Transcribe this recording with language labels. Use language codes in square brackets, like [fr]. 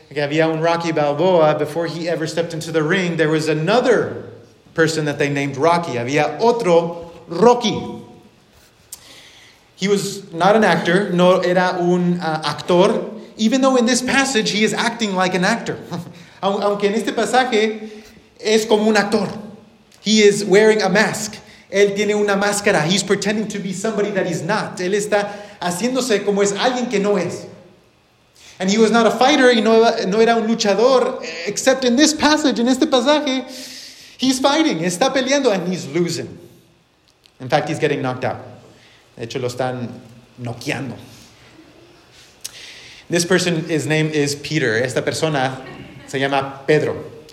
[en] Okay, [es] había un Rocky Balboa, [en] before he ever stepped into the ring, there was another person that they named Rocky. [es] Había otro Rocky. [en] He was not an actor, [es] no era un actor, [en] even though in this passage he is acting like an actor. [es] Aunque en este pasaje es como un actor. [en] He is wearing a mask. [es] Él tiene una máscara. [en] He's pretending to be somebody that he's not. [es] Él está haciéndose como es alguien que no es. [en] And he was not a fighter, [es] y no era un luchador, [en] except in this passage, in [es] este pasaje, [en] he's fighting, [es] está peleando, [en] and he's losing. In fact, he's getting knocked out. [es] De hecho, lo están noqueando. [en] This person, his name is Peter. [es] Esta persona se llama Pedro.